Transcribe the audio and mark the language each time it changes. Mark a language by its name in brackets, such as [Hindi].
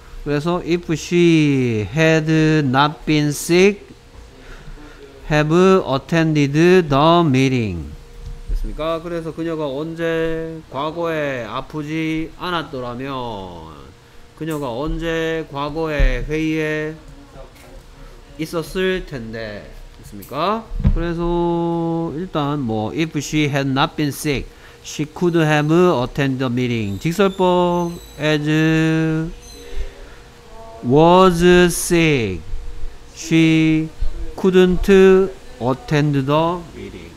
[English] 그래서, if she had not been sick, have attended the meeting. [Korean] 됐습니까? 그래서 그녀가 언제 과거에 아프지 않았더라면, 그녀가 언제 과거에 회의에 있었을 텐데, 됐습니까? [English] 그래서, 일단, 뭐, if she had not been sick, she could have attended the meeting. 직설법, as was sick, she couldn't attend the meeting.